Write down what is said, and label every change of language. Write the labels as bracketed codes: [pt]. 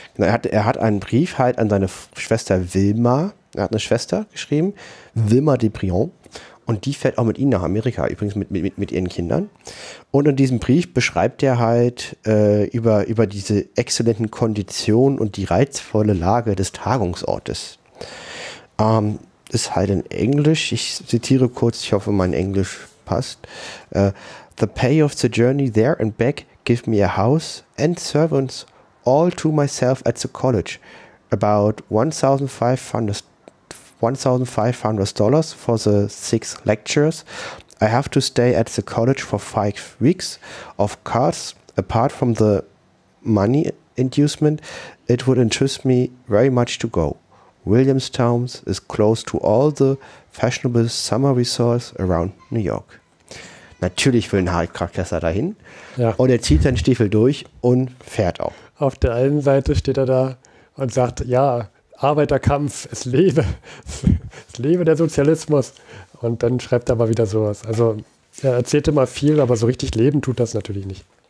[de] Na, er hat einen Brief halt an seine Schwester Wilma, er hat eine Schwester geschrieben, Wilma de Briand, und die fährt auch mit ihnen nach Amerika, übrigens mit ihren Kindern. Und in diesem Brief beschreibt er halt über diese exzellenten Konditionen und die reizvolle Lage des Tagungsortes. Ist halt in Englisch. Ich zitiere kurz, ich hoffe, mein Englisch passt. [en] The pay of the journey there and back give me a house and servants all to myself at the college. About $1,500 for the 6 lectures. I have to stay at the college for 5 weeks. Of course, apart from the money inducement, it would interest me very much to go. Williamstown is close to all the fashionable summer resorts around New York. [de] Natürlich will ein Harry Graf Kessler dahin. Ja. Und er zieht seinen Stiefel durch und fährt auch. Auf der einen Seite steht er da und sagt, ja, Arbeiterkampf, es lebe der Sozialismus. Und dann schreibt er mal wieder sowas. Also er erzählt immer viel, aber so richtig leben tut das natürlich nicht.